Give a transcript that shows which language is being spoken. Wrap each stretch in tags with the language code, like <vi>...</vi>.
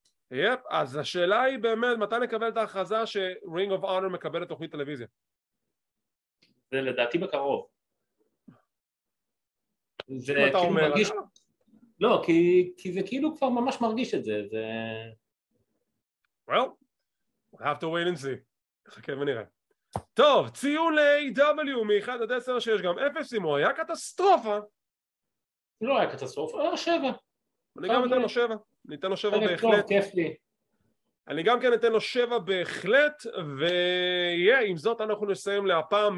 <he>יפ, אז השאלה היא באמת, מתי נקבל את ההכרזה ש-Ring of Honor מקבל את תוכנית טלוויזיה? זה לדעתי בקרוב. זה אתה כאילו אומר מרגיש... אתה? לא, כי זה כאילו כבר ממש מרגיש את זה, זה...</he> <en>Well, we'll have to wait and see.</en> <he>חכה ונראה. טוב, ציון ל-AW מ-1 עד 10 שיש גם 0 אם הוא היה קטסטרופה. לא היה קטסטרופה, היה 7. אני גם אתן לו 7, אני אתן לו 7 בהחלט. אני גם כן אתן לו 7 בהחלט, ועם זאת אנחנו נסיים להפעם.</he>